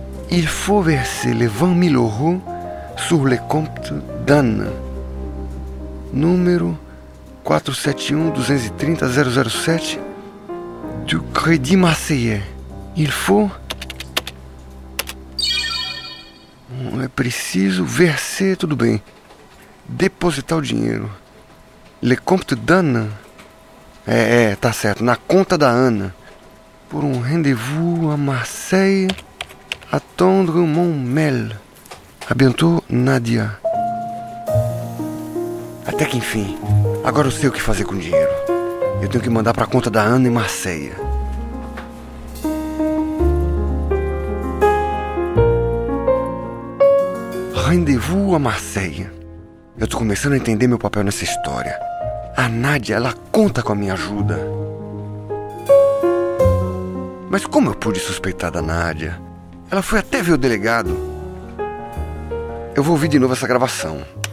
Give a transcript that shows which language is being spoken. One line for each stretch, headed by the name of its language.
French: Il faut verser les 20 000 euros sur le compte d'Anne. Numéro 471-230-007 du Crédit Marseillais. Il faut...
Portuguese: É preciso
French: verser,
Portuguese: tudo bem. Depositar o dinheiro.
French: Le compte d'Anne...
Portuguese: tá certo, na conta da Ana. Por um
French: rendez-vous à Marseille, attendre mon mail. A bientôt, Nadia.
Portuguese: Até que enfim, agora eu sei o que fazer com o dinheiro. Eu tenho que mandar pra conta da Ana em Marseille.
French: Rendez-vous à Marseille.
Portuguese: Eu tô começando a entender meu papel nessa história. A Nadia, ela conta com a minha ajuda. Mas como eu pude suspeitar da Nadia? Ela foi até ver o delegado. Eu vou ouvir de novo essa gravação.